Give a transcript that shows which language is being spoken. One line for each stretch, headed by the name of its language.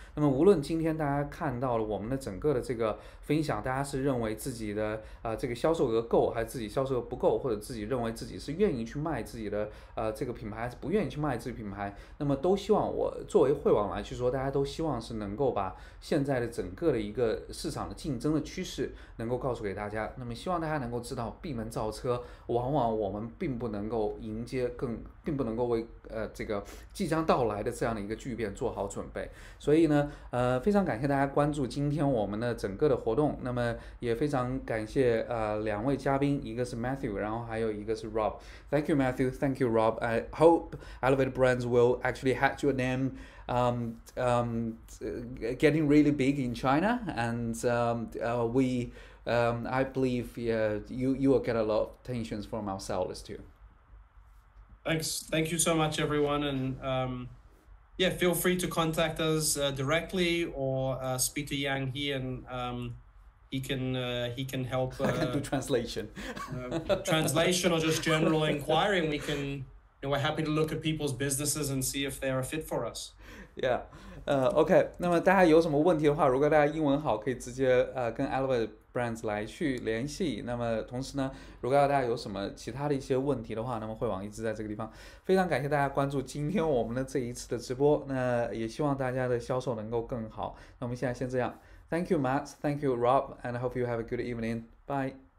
Chinese: 那么，无论今天大家看到了我们的整个的这个分享，大家是认为自己的这个销售额够，还是自己销售额不够，或者自己认为自己是愿意去卖自己的这个品牌，还是不愿意去卖自己品牌，那么都希望我作为汇网来去说，大家都希望是能够把现在的整个的一个市场的竞争的趋势能够告诉给大家，那么希望大家能够知道闭门造车，往往我们并不能够迎接更，并不能够为这个即将到来的这样的一个巨变做好准备。所以呢，非常感谢大家关注今天我们的整个的活动，那么也非常感谢两位嘉宾。一个是 Matthew，然后还有一个是 Rob。
English: Thank you, Matthew. Thank you, Rob. I hope Elevate Brands will actually have your name, getting really big in China. And I believe, you will get a lot of attentions from our sellers too. Thanks. Thank you so much, everyone. And feel free to contact us directly or speak to Yang He, and he can help I can do translation. translation or just general inquiry. And we're happy to look at people's businesses and see if they are a fit for us.
Chinese: Yeah. OK. 那么大家有什么问题的话，如果大家英文好，可以直接跟 ElevateBrands 来去联系。那么同时呢，如果大家有什么其他的一些问题的话，那么汇网一直在这个地方。非常感谢大家关注今天我们的这一次的直播。那也希望大家的销售能够更好。那我们现在先这样。
English: Thank you, Matt. Thank you, Rob. And I hope you have a good evening. Bye.